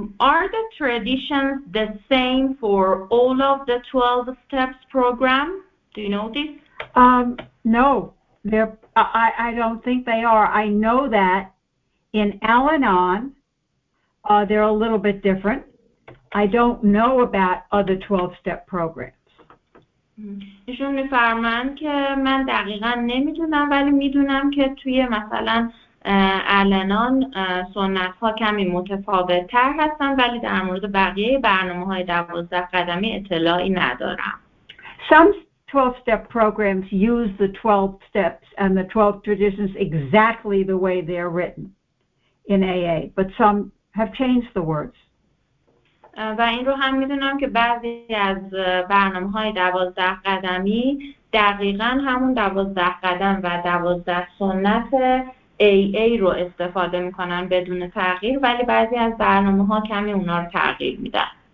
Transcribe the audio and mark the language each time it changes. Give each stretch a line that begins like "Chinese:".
English: Are the traditions the same for all of the 12 steps program? Do you know this? No, I don't think they are. I know that in Al-Anon, they're a little bit different. I don't know about other 12-step programs.
Persian: ایشون میفرمایند که من دقیقا نمیدونم، ولی میدونم که توی مثلا الانان سنت ها کمی متفاوت تر هستن، ولی در مورد بقیه برنامه های 12 قدمی اطلاعی ندارم.
English: Some 12-step programs use the 12 steps and the 12 traditions exactly the way they're written in AA, but some have changed the words.
Persian: و این رو هم میدونم که بعضی از برنامه های 12 قدمی دقیقاً همون 12 قدم و 12 سنت AA رو استفاده میکنن بدون تغییر، ولی بعضی از برنامه ها کمی اونا رو تغییر میدن.